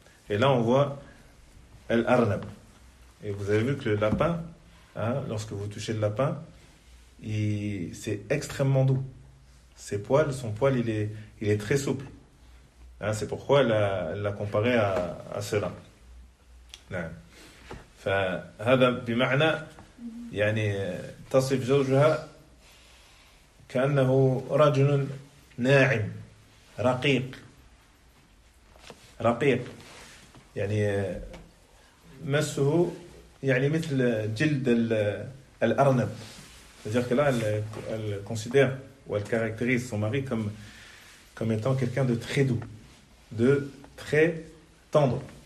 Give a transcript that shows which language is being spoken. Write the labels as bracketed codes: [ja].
[fr] Et là, on voit El Arnab. Et vous avez vu que le lapin, hein, lorsque vous touchez le lapin, c'est extrêmement doux. Ses poils, son poil, il est très souple. Hein, c'est pourquoi elle l'a comparé à cela. [ar] هذا بمعنى يعني تصف زوجها كأنه رجل ناعم رقيق رقيق يعني مسه يعني مثل جلد الأرنب. [fr] C'est-à-dire que là elle considère ou elle caractérise son mari comme étant quelqu'un de très doux, de très tendre.